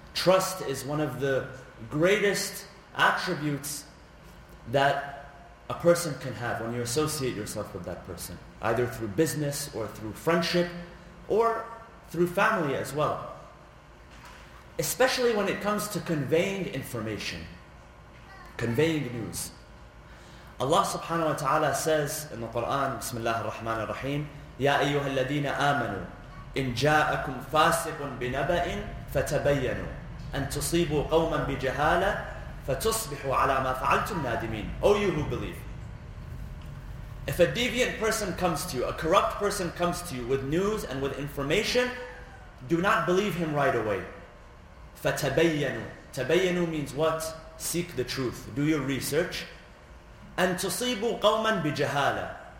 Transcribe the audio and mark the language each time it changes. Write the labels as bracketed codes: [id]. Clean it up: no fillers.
[en] Trust is one of the greatest attributes that a person can have when you associate yourself with that person, either through business or through friendship or through family as well. Especially when it comes to conveying information, conveying news. Allah subhanahu wa ta'ala says in the Quran, [ar] Bismillah ar-Rahman ar-Rahim, يَا أَيُّهَا الَّذِينَ آمَنُوا إِن جَاءَكُمْ فَاسِقٌ بِنَبَئٍ فَتَبَيَّنُوا أَن تُصِيبُوا قَوْمًا بِجَهَالَةٍ فَتُصْبِحُوا عَلَى مَا فَعَلْتُمْ نَادِمِينَ. [en] O you who believe, if a deviant person comes to you, a corrupt person comes to you with news and with information, do not believe him right away. [ar] فَتَبَيَّنُوا. [en] تَبَيَّنُوا means what? Seek the truth. Do your research. [ar] أَن تُصِيبُوا قَوْمًا بِجَهَالَةٍ.